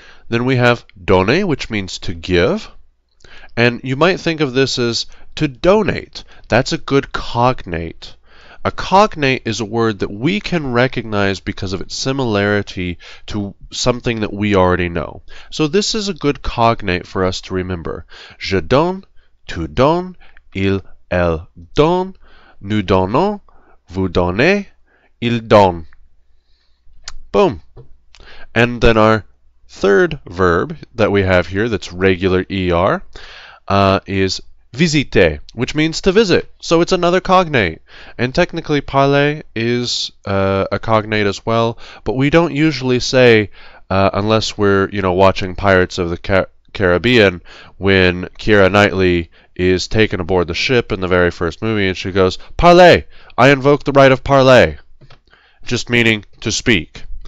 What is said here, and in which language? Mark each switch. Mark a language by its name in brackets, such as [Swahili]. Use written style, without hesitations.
[English] Then we have donner, which means to give. And you might think of this as to donate. That's a good cognate. A cognate is a word that we can recognize because of its similarity to something that we already know. So this is a good cognate for us to remember. [French] Je donne, tu donnes, il, elle donne, nous donnons, vous donnez, il donne. [English] Boom. And then our third verb that we have here that's regular ER is visiter, which means to visit. So it's another cognate. And technically, parler is a cognate as well, but we don't usually say, unless we're, you know, watching Pirates of the Caribbean, when Keira Knightley is taken aboard the ship in the very first movie and she goes, parler, I invoke the right of parler, just meaning to speak.